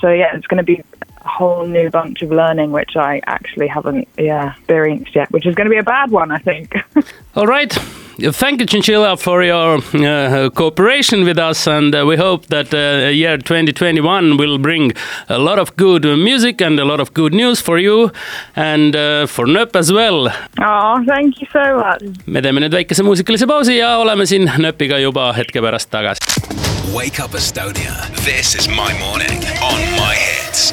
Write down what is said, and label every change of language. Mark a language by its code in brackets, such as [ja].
[en] So yeah, it's going to be a whole new bunch of learning, which I actually haven't experienced yet, which is going to be a bad one, I think. All right. Thank you, Chinchilla, for your cooperation with us, and we hope that year 2021 will bring a lot of good music and a lot of good news for you and for Nöpp as well. Oh, thank you so much. [et] Me teeme nüüd väikese muusikalise pausi ja oleme siin Nöppiga juba hetke pärast tagasi. [en] Wake up Estonia, this is my morning on my hits.